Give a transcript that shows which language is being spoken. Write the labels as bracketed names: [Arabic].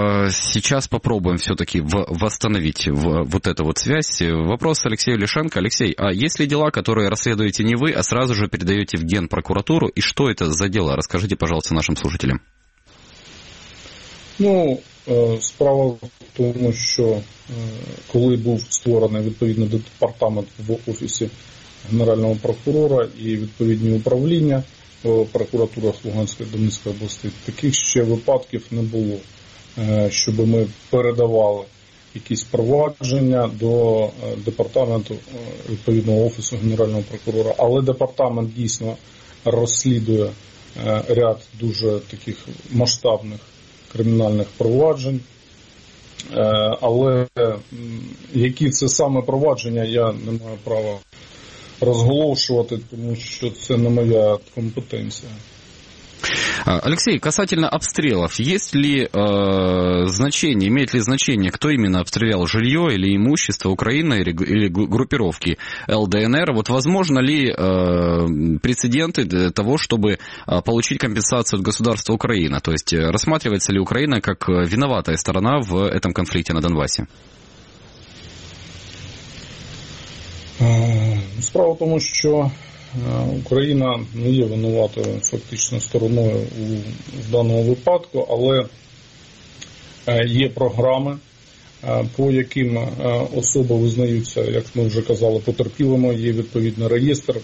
[Russian] Сейчас попробуем все-таки восстановить вот эту вот связь. Вопрос Алексею Ляшенко. Алексей, а есть ли дела, которые расследуете не вы, а сразу же передаете в Генпрокуратуру? И что это за дело? Расскажите, пожалуйста, нашим слушателям. [Ukrainian] Ну, справа [Russian] в том, что [Ukrainian] коли був створений відповідний департамент в офісі генерального прокурора і відповідні управління прокуратури Луганської та Донецької областей, таких ще випадків не було, щоб ми передавали якісь провадження до департаменту відповідного офісу генерального прокурора. Але департамент дійсно розслідує ряд дуже таких масштабних кримінальних проваджень. Але які це саме провадження, я не маю права розголошувати, тому що це не моя компетенція. [Russian] Алексей, касательно обстрелов, есть ли значение, имеет ли значение, кто именно обстрелял жилье или имущество Украины или группировки ЛДНР? Вот возможно ли прецеденты для того, чтобы получить компенсацию от государства Украина? То есть рассматривается ли Украина как виноватая сторона в этом конфликте на Донбассе? [Ukrainian] Справа в тому, що Україна не є винуватою фактично стороною в даному випадку, але є програми, по яким особи визнаються, як ми вже казали, потерпілими, є відповідний реєстр.